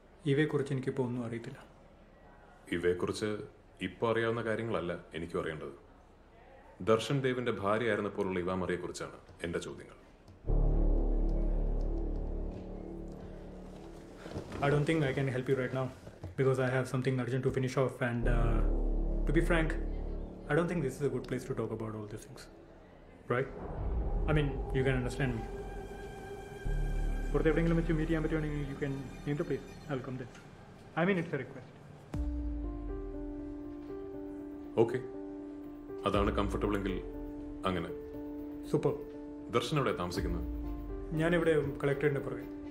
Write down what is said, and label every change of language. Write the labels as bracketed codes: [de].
[ml] ഇവയെക്കുറിച്ച് എനിക്കിപ്പോൾ ഒന്നും അറിയത്തില്ല. ഇവയെക്കുറിച്ച് ഇപ്പോൾ അറിയാവുന്ന കാര്യങ്ങളല്ല എനിക്കും അറിയേണ്ടത്. ദർശൻ ദേവിൻ്റെ ഭാര്യയായിരുന്നപ്പോഴുള്ള ഇവ മറിയെക്കുറിച്ചാണ് എൻ്റെ ചോദ്യങ്ങൾ. [en] I don't think I can help you right now because I have something urgent to finish off and to be frank, I don't think this is a good place to talk about all these things. Right? I mean, you can understand me. [ml] എവിടെയെങ്കിലും വെച്ച് meet ചെയ്യാൻ പറ്റുവാണെങ്കിൽ [en] You can നീ the please welcome the I mean it's a request. [ml] Okay, അതാണ് comfortable എങ്കിൽ അങ്ങനെ. Super. Darshan എവിടെ താമസിക്കുന്നത്? ഞാൻ ഇവിടെ കളക്ടറിന്റെ പുറകെ.